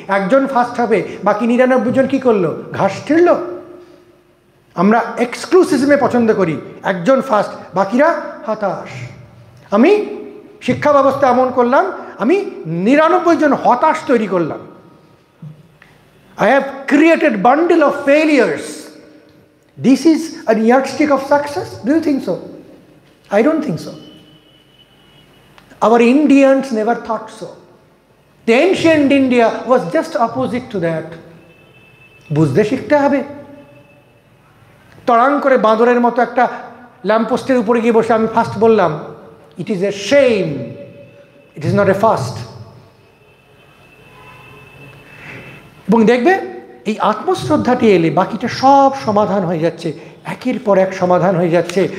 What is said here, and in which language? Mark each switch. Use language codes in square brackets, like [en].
[bn] একজন ফার্স্ট হবে, বাকি 99 জন কী করলো, ঘাস ছিঁড়ল। আমরা এক্সক্লুসিভিজমে পছন্দ করি, একজন ফার্স্ট বাকিরা হতাশ। আমি শিক্ষা ব্যবস্থা এমন করলাম, আমি 99 জন হতাশ তৈরি করলাম। [en] I have created bundle of failures. This is a yardstick of success? Do you think so? I don't think so. Our Indians never thought so. The ancient India was just opposite to that. [bn] বুঝতে শিখতে হবে। তরাং করে বাঁদরের মতো একটা ল্যাম্পোস্টের উপরে গিয়ে বসে আমি ফার্স্ট বললাম, [en] It is a shame, it is not a first. [bn] এবং দেখবে এই আত্মশ্রদ্ধাটি এলে বাকিটা সব সমাধান হয়ে যাচ্ছে, একের পর এক সমাধান হয়ে যাচ্ছে।